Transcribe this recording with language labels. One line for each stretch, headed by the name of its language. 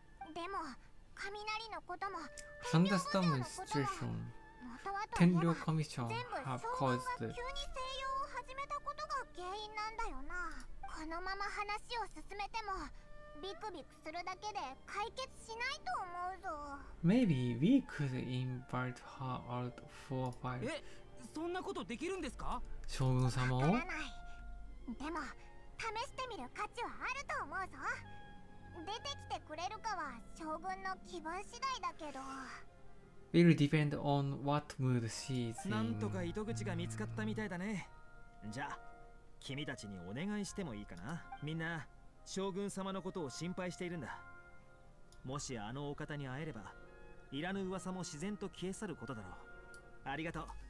Japanese: でも雷のことも天領奉行のことも天領コミッション全部将軍が急に西洋を始めたことが原因なんだよな。このまま話を進めてもビクビクするだけで解決しないと思うぞ。
English: Maybe we could invite her out for a fight。
Japanese: え、そんなことできるんですか。将軍様を。わからない。でも試してみる価値はあると思うぞ。出てきてくれるかは将軍の気分次第だけど。
English: We'll depend on what mood she is in。
Japanese: なんとか糸口が見つかったみたいだね。じゃあ君たちにお願いしてもいいかな。みんな将軍様のことを心配しているんだ。もしあのお方に会えればいらぬ噂も自然と消え去ることだろう。ありがとう。